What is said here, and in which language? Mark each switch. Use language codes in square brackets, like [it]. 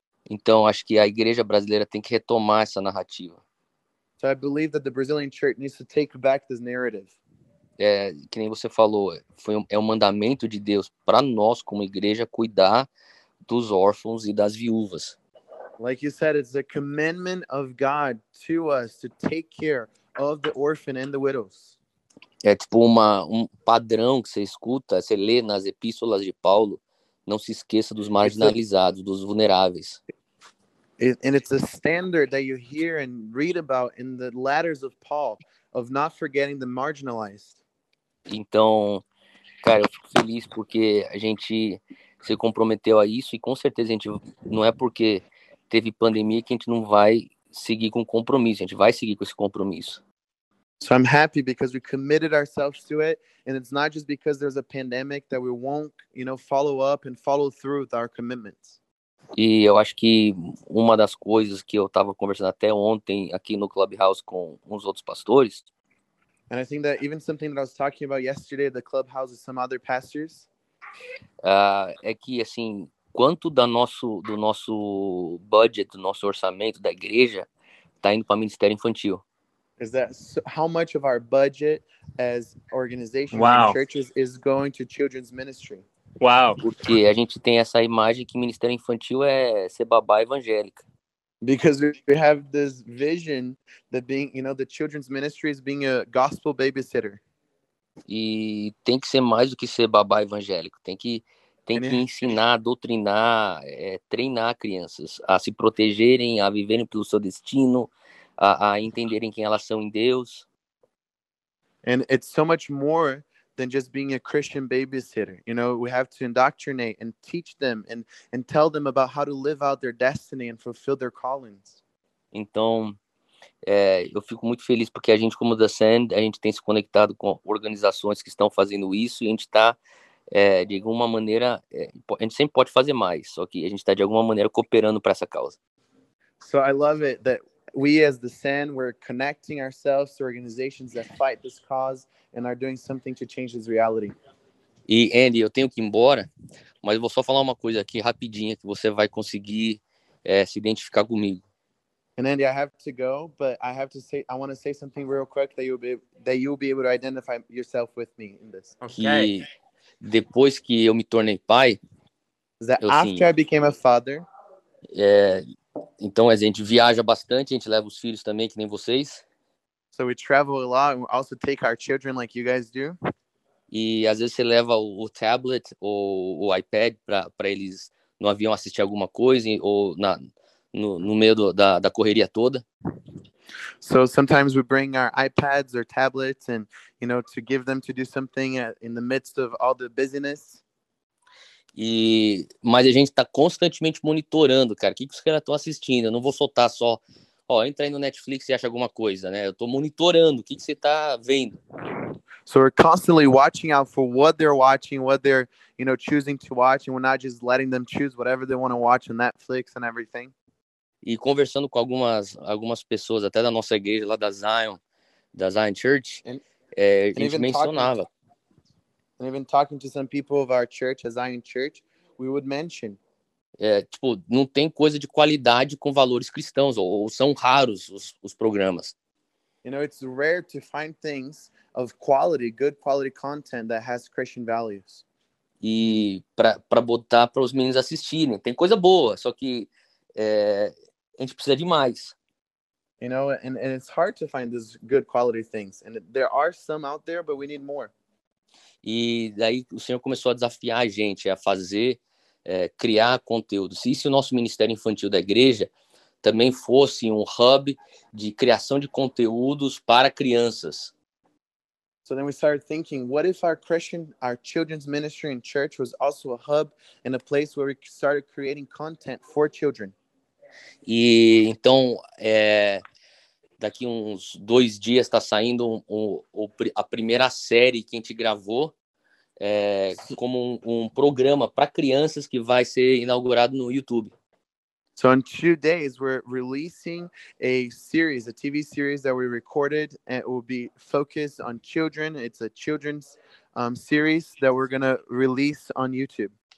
[pt] Então, acho que a igreja brasileira tem que retomar essa narrativa. [en] So I believe that the Brazilian church needs to take back this narrative. [pt] Que nem você falou, é um mandamento de Deus para nós como igreja cuidar dos órfãos e das viúvas. [en] Like you said, it's a commandment of God to us to take care of the orphan and the widows. [pt] É tipo um padrão que você escuta, você lê nas epístolas de Paulo, não se esqueça dos marginalizados, dos vulneráveis. [en] And it's a standard that you hear and read about in the letters of Paul, of not forgetting the marginalized. [pt] Então, cara, eu fico feliz porque a gente se comprometeu a isso e com certeza a gente não é porque teve pandemia que a gente não vai seguir com compromisso, a gente vai seguir com esse compromisso. [en] So I'm happy because we committed ourselves to it and it's not just because there's a pandemic that we won't, you know, follow up and follow through with our commitments. [pt] E eu acho que uma das coisas que eu estava conversando até ontem aqui no Clubhouse com uns outros pastores. [en] And I think that even something that I was talking about yesterday at the Clubhouse with some other pastors. [pt] É que, assim, quanto do nosso budget, do nosso orçamento da igreja, está indo para o Ministério Infantil? [en] Is that how much of our budget as organizations and churches is going to children's ministry? [pt] Uau. Porque a gente tem essa imagem que ministério infantil é ser babá evangélica. [en] Because we have this vision that being, you know, the children's ministry is being a gospel babysitter. [pt] E tem que ser mais do que ser babá evangélico. Tem que ensinar, doutrinar, treinar crianças a se protegerem, a viverem pelo seu destino, a entenderem quem elas são em Deus. [en] And it's so much more than just being a Christian babysitter. You know, we have to indoctrinate and teach them and tell them about how to live out their destiny and fulfill their callings. [pt] Então, eu fico muito feliz porque a gente, como The Sand, a gente tem se conectado com organizações que estão fazendo isso e a gente está, de alguma maneira, a gente sempre pode fazer mais, só que a gente está, de alguma maneira, cooperando para essa causa. [en] So I love it that we, as The Sand, we're connecting ourselves to organizations that fight this cause and are doing something to change this reality. [pt] E, Andy, eu tenho que ir embora, mas vou só falar uma coisa aqui rapidinha que você vai conseguir se identificar comigo. [en] And Andy, I have to go, but I have to say, I want to say something real quick that you'll be able to identify yourself with me in this. Okay. [pt] E depois que eu me tornei pai, [en] I became a father. [pt] Então a gente viaja bastante, a gente leva os filhos também, que nem vocês. [en] So we travel a lot and we also take our children like you guys do. [pt] E às vezes você leva o tablet ou o iPad para eles no avião assistir alguma coisa ou no meio da correria toda. [en] So sometimes we bring our iPads or tablets and, you know, to give them to do something in the midst of all the busyness. [pt] Mas a gente está constantemente monitorando, cara. O que os caras estão assistindo? Eu não vou soltar só, entra aí no Netflix e acha alguma coisa, né? Eu estou monitorando. O que você está vendo? [en] So we're constantly watching out for what they're watching, what they're, you know, choosing to watch, and we're not just letting them choose whatever they want to watch on Netflix and everything. [pt] E conversando com algumas pessoas, até da nossa igreja lá da Zion Church, a gente mencionava. [en] And even talking to some people of our church, as I in church, we would mention. [pt] Tipo, não tem coisa de qualidade com valores cristãos, ou são raros os programas. [en] You know, it's rare to find things of quality, good quality content that has Christian values. [pt] E para botar para os meninos assistirem. Tem coisa boa, só que a gente precisa de mais. [en] You know, and it's hard to find these good quality things. And there are some out there, but we need more. [pt] E daí o Senhor começou a desafiar a gente a fazer, criar conteúdo. E se o nosso Ministério Infantil da Igreja também fosse um hub de criação de conteúdos para crianças? [en] So then we started thinking, what if our children's ministry in church was also a hub and a place where we started creating content for children? [pt] E então, daqui uns 2 dias está saindo a primeira série que a gente gravou como um programa para crianças que vai ser inaugurado no YouTube. [en] So in 2 days we're releasing a series, a TV series that we recorded, and it will be focused on children. It's a children's series that we're gonna release on YouTube.